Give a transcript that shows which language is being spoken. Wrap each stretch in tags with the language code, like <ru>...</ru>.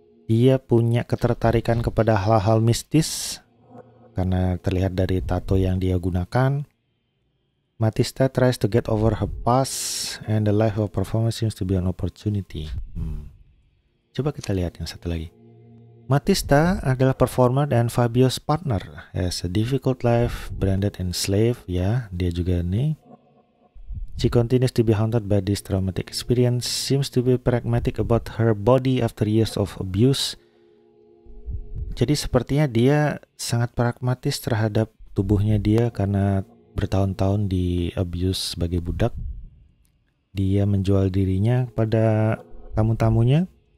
<id>Dia punya ketertarikan kepada hal-hal mistis karena terlihat dari tato yang dia gunakan.</id> <en>Matista tries to get over her past and the life of performance seems to be an opportunity.</en> <id>Coba kita lihat yang satu lagi. Matista adalah performer dan Fabio's partner.</id> <en>Has a difficult life, branded and slave.</en> <id>Ya, dia juga nih.</id> <en>She continues to be haunted by this traumatic experience. Seems to be pragmatic about her body after years of abuse.</en> <id>Jadi sepertinya dia sangat pragmatis terhadap tubuhnya dia karena bertahun-tahun di abuse sebagai budak. Dia menjual dirinya kepada tamu-tamunya.</id>